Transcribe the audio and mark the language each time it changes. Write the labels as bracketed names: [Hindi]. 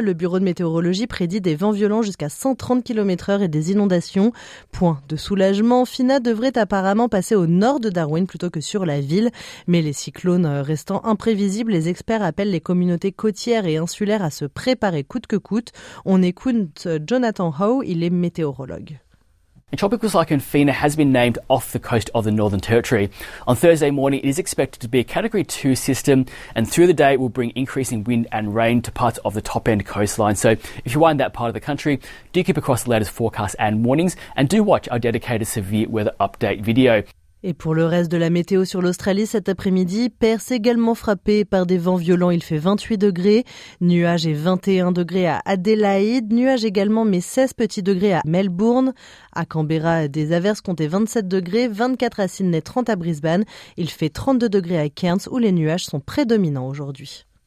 [French] Le bureau de météorologie prédit des vents violents jusqu'à 130 km/h et des inondations. Point de soulagement, Fina devrait apparemment passer au nord de Darwin plutôt que sur la ville. Mais les cyclones restant imprévisibles, les experts appellent les communautés côtières et insulaires à se préparer coûte que coûte. On écoute Jonathan Howe, il est météorologue. [English] A tropical cyclone Fina has been named off the coast of the Northern Territory. On Thursday morning, it is expected to be a Category 2 system, and through the day, it will bring increasing wind and rain to parts of the top-end coastline. So if you are in that part of the country, do keep across the latest forecasts and warnings, and do watch our dedicated severe weather update video. [French] Et pour le reste de la météo sur l'Australie cet après-midi, Perth également frappé par des vents violents, il fait 28 degrés, nuages et 21 degrés à Adélaïde, nuages également mais 16 petits degrés à Melbourne, à Canberra des averses comptaient 27 degrés, 24 à Sydney, 30 à Brisbane, il fait 32 degrés à Cairns où les nuages sont prédominants aujourd'hui.